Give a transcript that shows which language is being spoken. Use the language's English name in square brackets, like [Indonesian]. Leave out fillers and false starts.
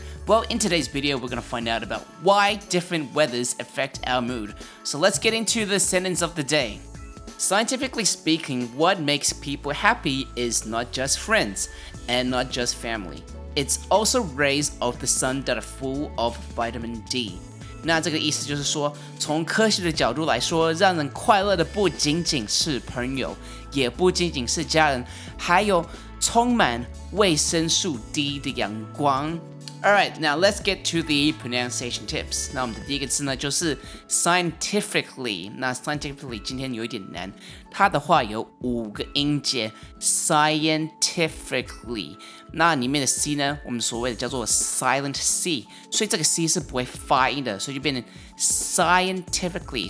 [English] Well, in today's video, we're gonna find out about why different weathers affect our mood. So let's get into the sentence of the day. Scientifically speaking, what makes people happy is not just friends and not just family. It's also rays of the sun that are full of vitamin D. [Chinese] 那这个意思就是说，从科学的角度来说，让人快乐的不仅仅是朋友，也不仅仅是家人，还有充满维生素 D 的阳光。 [English] Alright, now let's get to the pronunciation tips. [Chinese] 那我们的第一个词呢就是 scientifically. 那 scientifically 今天有一点难。它的话有五个音节 scientifically. 那里面的 C 呢我们所谓的叫做 [English] silent C. [Chinese] 所以这个 C 是不会发音的所以就变成 scientifically.